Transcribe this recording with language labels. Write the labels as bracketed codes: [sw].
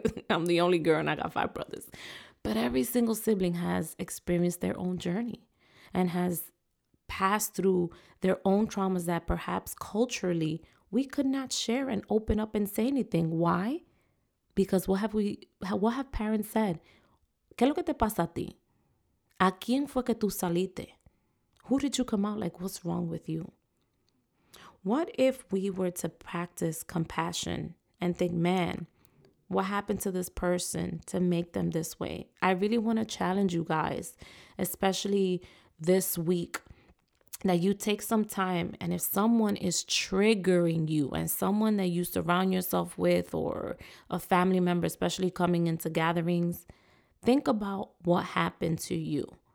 [en] I'm the only girl and I got five brothers. But every single sibling has experienced their own journey and has passed through their own traumas that perhaps culturally we could not share and open up and say anything. Why? Because what have parents said? [es] ¿Qué es lo que te pasa a ti? ¿A quién fue que tú saliste? [en] Who did you come out like? What's wrong with you? What if we were to practice compassion and think, man, what happened to this person to make them this way? I really want to challenge you guys, especially this week, that you take some time, and if someone is triggering you and someone that you surround yourself with or a family member, especially coming into gatherings, think about what happened to you.